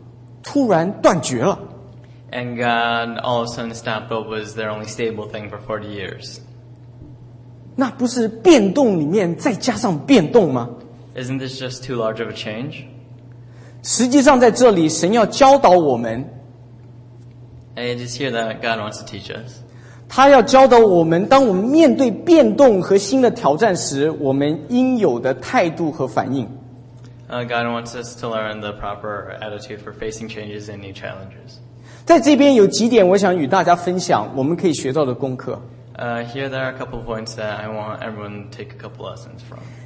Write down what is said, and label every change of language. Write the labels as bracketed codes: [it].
[zh] 然后神把他们熟悉40年的食物突然断绝了。 [en] And God all of a sudden stopped what was their only stable thing for 40 years. [zh] 那不是变动里面再加上变动吗？ [en] Isn't this just too large of a change? [zh] 实际上在这里神要教导我们。 [en] It is here that God wants to teach us. [zh] 他要教导我们，当我们面对变动和新的挑战时，我们应有的态度和反应。 [en] God wants us to learn the proper attitude for facing changes and new challenges. [zh] 在这边有几点我想与大家分享，我们可以学到的功课。 [en] Here there are a couple of points that I want everyone to take a couple lessons from.